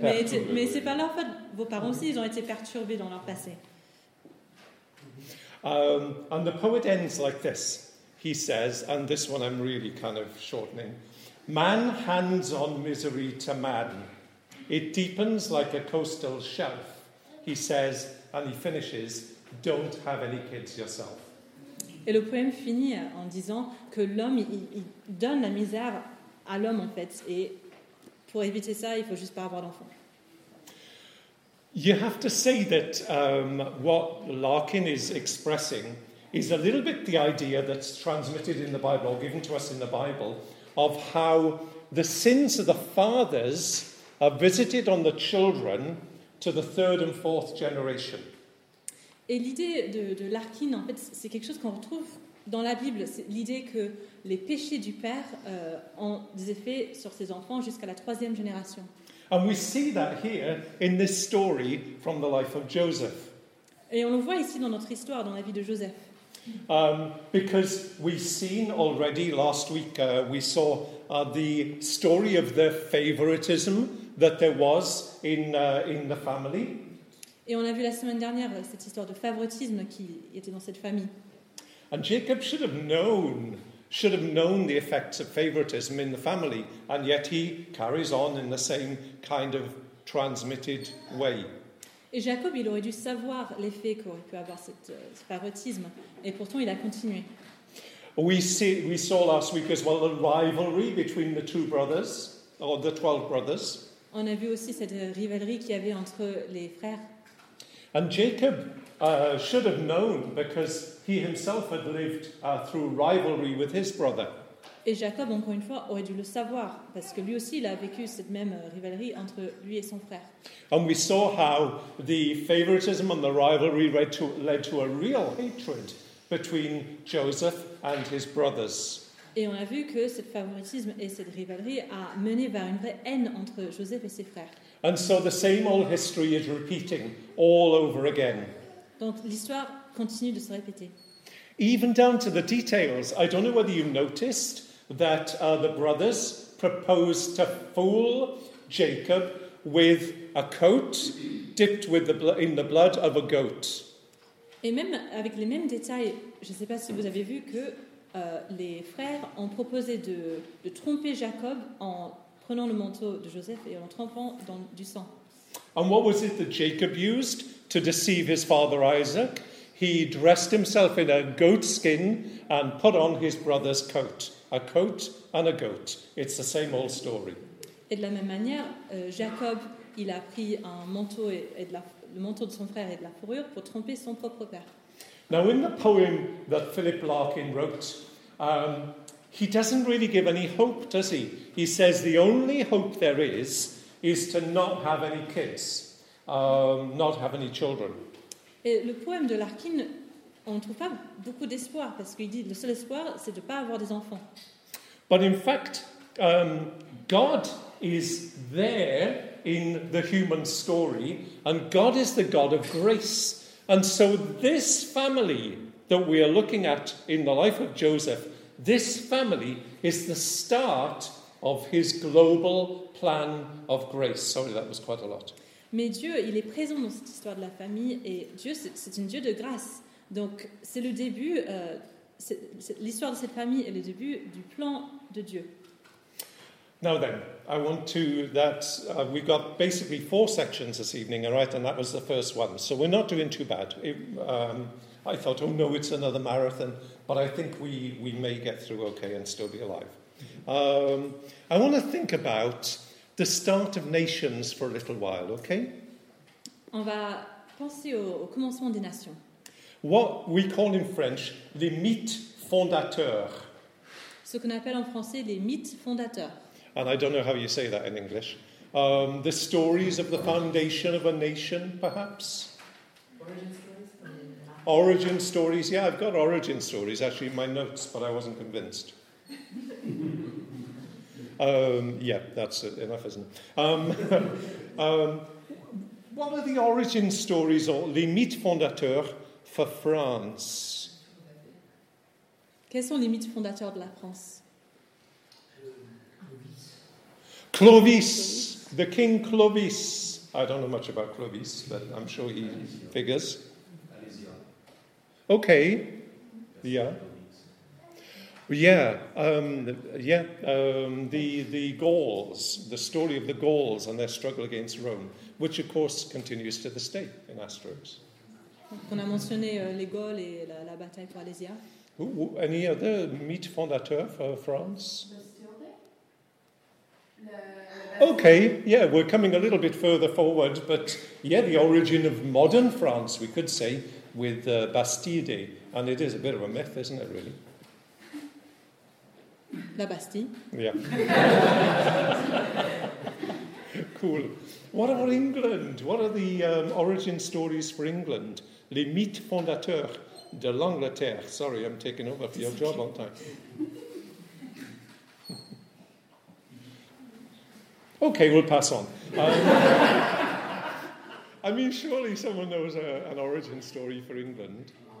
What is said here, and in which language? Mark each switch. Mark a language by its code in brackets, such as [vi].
[fr] Mais ce n'est pas leur faute. Vos parents aussi, ils ont été perturbés dans leur passé. [en] And the poet ends like this. He says, and this one I'm really kind of shortening. Man hands on misery to man. It deepens like a coastal shelf. He says, and he finishes, don't have any kids yourself. [fr] Et le poème finit en disant que l'homme, il donne la misère à l'homme, en fait. Et pour éviter ça, il ne faut juste pas avoir d'enfant. [en] You have to say that what Larkin is expressing is a little bit the idea that's transmitted in the Bible, or given to us in the Bible, of how the sins of the fathers are visited on the children to the third and fourth generation. [fr] Et l'idée de Larkin, en fait, c'est quelque chose qu'on retrouve dans la Bible. C'est l'idée que les péchés du père ont des effets sur ses enfants jusqu'à la troisième génération. [en] And we see that here in this story from the life of Joseph. [fr] Et on le voit ici dans notre histoire, dans la vie de Joseph. [en] Because we've seen already last week, we saw the story of the favoritism that there was in the family. [fr] Et on a vu la semaine dernière cette histoire de favoritisme qui était dans cette famille. [en] And Jacob should have known the effects of favoritism in the family, and yet he carries on in the same kind of transmitted way. [fr] Et Jacob, il aurait dû savoir l'effet qu'aurait pu avoir ce favoritisme, et pourtant il a continué. [en] We saw last week as well the rivalry between the two brothers, or the 12 brothers. [fr] On a vu aussi cette rivalité qu'il y avait entre les frères. [en] And Jacob should have known because he himself had lived through rivalry with his brother. [fr] Et Jacob, encore une fois, aurait dû le savoir parce que lui aussi, il a vécu cette même rivalité entre lui et son frère. [en] And we saw how the favoritism and the rivalry led to a real hatred between Joseph and his brothers. [fr] Et on a vu que ce favoritisme et cette rivalité a mené vers une vraie haine entre Joseph et ses frères. [en] And so the same old history is repeating all over again. [fr] Donc l'histoire continue de se répéter. [en] Even down to the details, I don't know whether you noticed that the brothers proposed to fool Jacob with a coat dipped with the in the blood of a goat. [fr] Et même avec les mêmes détails, je ne sais pas si vous avez vu que les frères ont proposé de tromper Jacob en prenant le manteau de Joseph et en trempant dans du sang. [en] And what was it that Jacob used to deceive his father Isaac? He dressed himself in a goat skin and put on his brother's coat. A coat and a goat. It's the same old story. [fr] Et de la même manière, Jacob, il a pris un manteau et de la, le manteau de son frère et de la fourrure pour tromper son propre père. [en] Now in the poem that Philip Larkin wrote, he doesn't really give any hope, does he? He says the only hope there is to not have any kids, not have any children. [fr] Et le poème de Larkin, on ne trouve pas beaucoup d'espoir, parce qu'il dit le seul espoir, c'est de ne pas avoir des enfants. [en] But in fact, God is there in the human story, and God is the God of grace. And so this family that we are looking at in the life of Joseph, this family is the start of his global plan of grace. Sorry, that was quite a lot. [fr] Mais Dieu, il est présent dans cette histoire de la famille, et Dieu, c'est un Dieu de grâce. Donc, c'est le début, c'est l'histoire de cette famille est le début du plan de Dieu. [en] Now then, I want to, that we've got basically four sections this evening, all right, and that was the first one. So we're not doing too bad. I thought, oh no, it's another marathon, but I think we may get through okay and still be alive. I want to think about the start of nations for a little while, okay? [fr] On va penser au commencement des nations. [en] What we call in French, [fr] les mythes fondateurs. Ce qu'on appelle en français les mythes fondateurs. [en] And I don't know how you say that in English. The stories of the foundation of a nation, perhaps? Origin stories? Yeah, I've got origin stories actually in my notes, but I wasn't convinced. yeah, that's enough, isn't it? what are the origin stories, or [fr] les mythes fondateurs, [en] for France? [fr] Quels sont les mythes fondateurs de la France? [en] Clovis, the King Clovis. I don't know much about Clovis, but I'm sure he figures. Okay. Yeah. Yeah. The Gauls, the story of the Gauls and their struggle against Rome, which of course continues to this day in Asterix. [fr] On a mentionné les Gaules et la bataille pour Alésia. [en] Any other [fr] mythe fondateur [en] for France? Okay, yeah, we're coming a little bit further forward, but yeah, the origin of modern France, we could say, with Bastille Day. And it is a bit of a myth, isn't it, really? [fr] La Bastille. [en] Yeah. Cool. What about England? What are the origin stories for England? [fr] Les mythes fondateurs de l'Angleterre. [en] Sorry, I'm taking over for your job, aren't I? Okay, we'll pass on. I mean, surely someone knows an origin story for England.